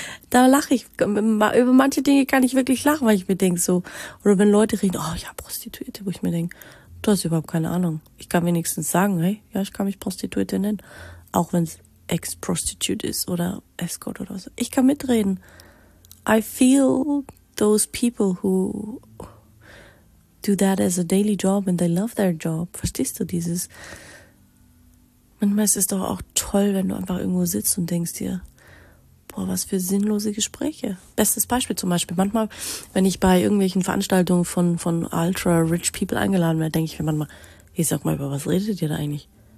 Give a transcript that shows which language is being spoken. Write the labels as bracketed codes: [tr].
[de] Da lache ich. Über manche Dinge kann ich wirklich lachen, weil ich mir denke so. Oder wenn Leute reden, oh ja, Prostituierte, wo ich mir denke, du hast überhaupt keine Ahnung. Ich kann wenigstens sagen, hey, ja, ich kann mich Prostituierte nennen. Auch wenn es Ex-Prostitute ist oder Escort oder so. Ich kann mitreden. [en] I feel those people who do that as a daily job and they love their job. [de] Verstehst du dieses? Manchmal ist es doch auch toll, wenn du einfach irgendwo sitzt und denkst dir, boah, was für sinnlose Gespräche. Bestes Beispiel zum Beispiel. Manchmal, wenn ich bei irgendwelchen Veranstaltungen von [en] ultra-rich people [de] eingeladen werde, denke ich mir manchmal, hey, sag mal, über was redet ihr da eigentlich?